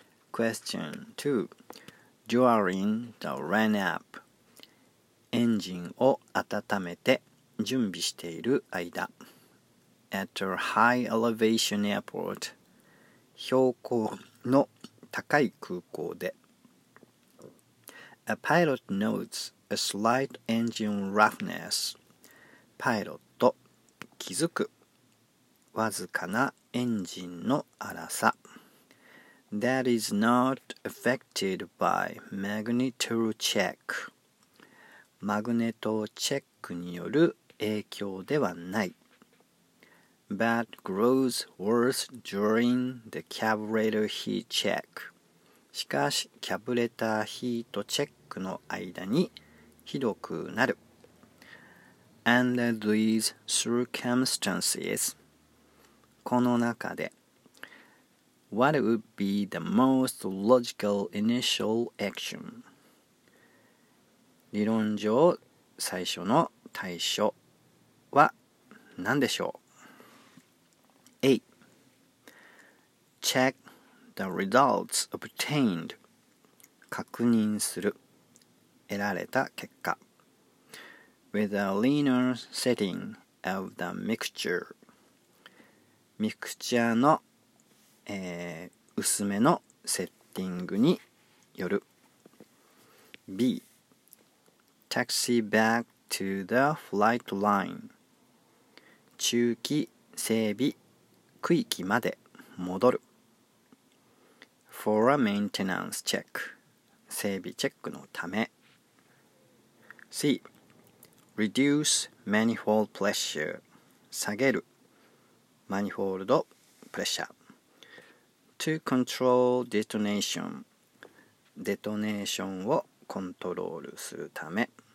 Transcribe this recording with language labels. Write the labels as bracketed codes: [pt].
[en] Question 2. During the run-up, [ja] エンジンを温めて準備している間、 [en] At a high elevation airport, [ja] 標高の高い空港で、 [en] A pilot notes a slight engine roughness. [ja] パイロット気づく、わずかなエンジンの粗さ。 [en] That is not affected by magnetocheck. [ja] マグネットチェックによる影響ではない。 [en] But grows worse during the carburetor heat check. [ja] しかし、キャブレターヒートチェックの間にひどくなる。 [en] Under these circumstances, [ja] この中で、 [en] What would be the most logical initial action? [ja] 理論上最初の対処は何でしょう? [en] A. Check the results obtained. [ja] 確認する。得られた結果。 [en] With a linear setting of the mixture. [ja] ミクチャーの薄めのセッティングによる。 [en] B. Taxi back to the flight line. [ja] 駐機整備区域まで戻る。 [en] For a maintenance check. [ja] 整備チェックのため。 [en] C. Reduce manifold pressure. [ja] 下げる。マニフォールドプレッシャー。 [en] To control detonation. [ja] デトネーションをコントロールするため。